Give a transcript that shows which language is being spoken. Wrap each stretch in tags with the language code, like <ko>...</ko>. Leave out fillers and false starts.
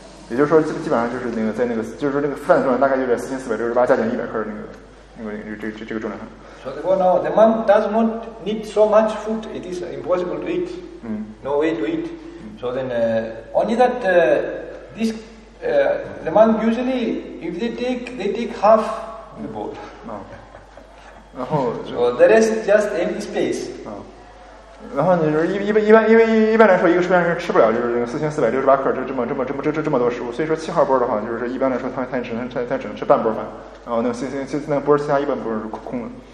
<zh>也就是说基本上就是那个在那个就是说那个饭的重量大概就在4468加减100克那个这个重量。</zh> <en>So the one now, the man does not need so much food, it is impossible to eat. No way to eat. So then, only that this the man usually if they take half the bowl. So the rest is just empty space.</en> <zh>然后你就是一般，因为一般来说，一个实验室吃不了就是那个4468克，这么多食物。所以说七号波的话，就是一般来说他只能他只能吃半波饭，然后那个那个波其他一半波是空的。</zh>